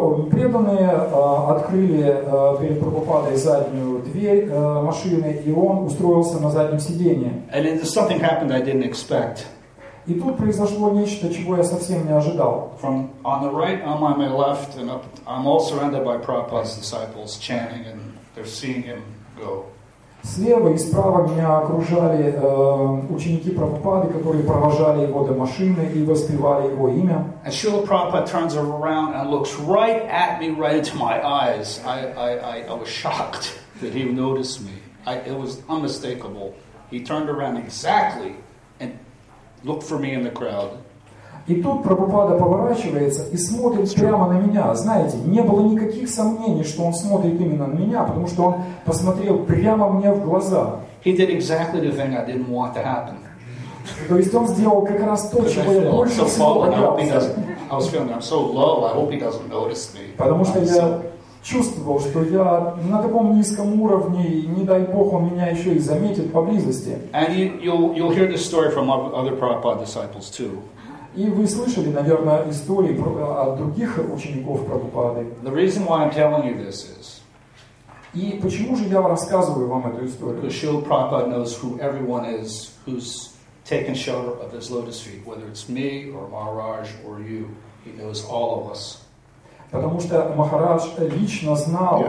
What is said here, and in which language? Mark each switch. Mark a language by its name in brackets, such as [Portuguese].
[Russian] Преданные открыли перед Прабхупадой заднюю дверь машины, и он устроился на заднем сиденье. [English] And then something happened I didn't expect. [Russian] И тут произошло нечто, чего я совсем не ожидал. [English] From on the right, on my left, and up, I'm all surrounded by Prabhupada's disciples chanting, and they're seeing him go. [Russian] Слева и справа меня окружали ученики Прабхупады, которые провожали его до машины и воспевали его имя. [English] And Srila Prabhupada turns around and looks right at me, right into my eyes. I was shocked that he noticed me. It was unmistakable. He turned around exactly and looked for me in the crowd. [Russian] И тут Прабхупада поворачивается и смотрит прямо на меня. Знаете, не было никаких сомнений, что он смотрит именно на меня, потому что он посмотрел прямо мне в глаза. [English] He did exactly the thing I didn't want to happen. [Russian] То есть он сделал как раз то, чего я больше всего боялся. [English] I was feeling I'm so low, I hope he doesn't notice me. [Russian] Потому что я чувствовал, что я на таком низком уровне, и не дай бог, он меня еще и заметит поблизости. [English] And you'll hear this story from other Prabhupada disciples too. [Russian] И вы слышали, наверное, истории от других учеников Прабхупады. [English] The reason why I'm telling you this is. [Russian] И почему же я рассказываю вам эту историю? [English] Because Srila Prabhupada knows who everyone is who's taken shelter of his lotus feet, whether it's me or Maharaj or you, he knows all of us. [Russian] Потому что Махарадж лично знал.